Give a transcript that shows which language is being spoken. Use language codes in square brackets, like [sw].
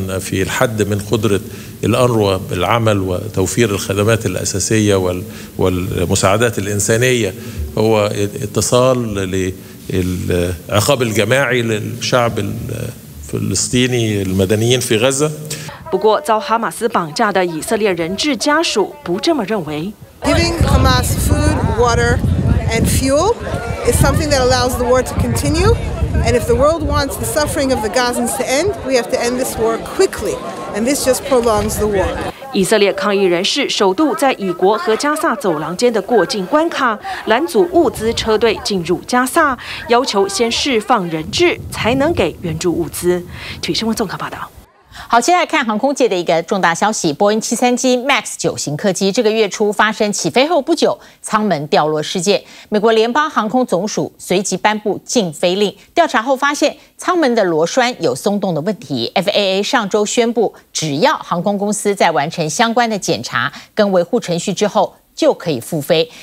[ar] قدرة الأنروا بالعمل وتوفير الخدمات الأساسية والمساعدات الإنسانية هو اتصال للعقاب الجماعي للشعب الفلسطيني المدنيين في غزة. [zh] 不过，遭哈马斯绑架的以色列人质家属不这么认为。 [en] Giving Hamas food, water, and fuel is something that allows the war to continue. And if the world wants the suffering of the Gazans to end, we have to end this war quickly. And this just prolongs the war. [zh] 以色列抗议人士首度在以国和加萨走廊间的过境关卡拦阻物资车队进入加萨，要求先释放人质才能给援助物资。体育新闻综合报道。好，接下来看航空界的一个重大消息，波音737 MAX 9型客机这个月初发生起飞后不久舱门掉落事件，美国联邦航空总署随即颁布禁飞令，调查后发现舱门的螺栓有松动的问题， FAA 上周宣布只要航空公司在完成相关的检查跟维护程序之后就可以复飞。